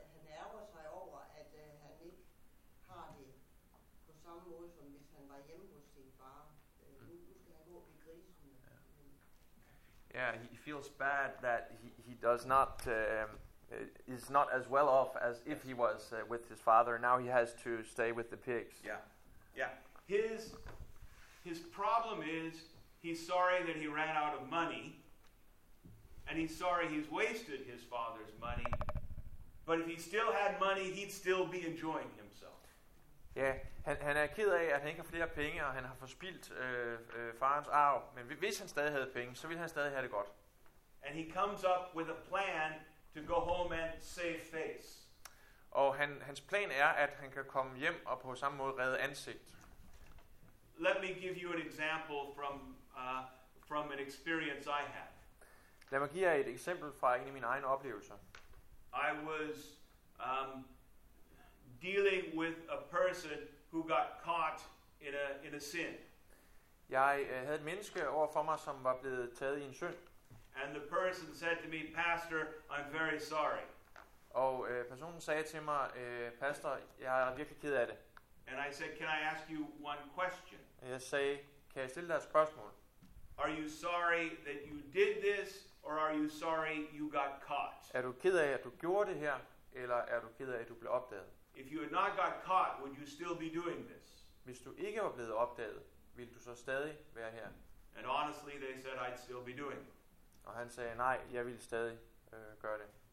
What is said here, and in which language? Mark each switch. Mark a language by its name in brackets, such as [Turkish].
[Danish] ærger sig over at han ikke har det på samme måde som hvis han var hjemme hos sin far. Nu skal han gå i grisen. [English] Yeah, he feels bad that he does not is not as well off as if he was with his father. Now he has to stay with the pigs. Yeah. His problem is he's sorry that he ran out of money, and he's sorry he's wasted his father's money. But if he still had money, he'd still be enjoying himself. [Danish] Yeah, han er ked af at han ikke har flere penge, og han har forspildt farens arv. Men hvis han stadig havde penge, så ville han stadig have det godt. [English] And he comes up with a plan to go home and save face. [Danish] Og hans plan er at han kan komme hjem og på samme måde redde ansigt. [English] Let me give you an example from an experience I have. [Danish] Lad mig give jer et eksempel fra en af mine egne oplevelser. [English] I was dealing with a person who got caught in a sin. [Danish] Jeg havde et menneske over for mig som var blevet taget i en synd. [English] And the person said to me, "Pastor, I'm very sorry." [Danish] Og personen sagde til mig, "Pastor, jeg er virkelig ked af det." [English] And I said, "Can I ask you one question?" [Danish] Jeg sagde, "Kan jeg stille dig et spørgsmål?" [English] "Are you sorry that you did this, or are you sorry you got caught?" [Danish] Er du ked af at du gjorde det her, eller er du ked af at du blev opdaget? [English] "If you had not got caught, would you still be doing this?" [Danish] Hvis du ikke var blevet opdaget, ville du så stadig være her? [English] And honestly, they said I'd still be doing it. [Danish] Og han sagde nej, jeg ville stadig gøre det.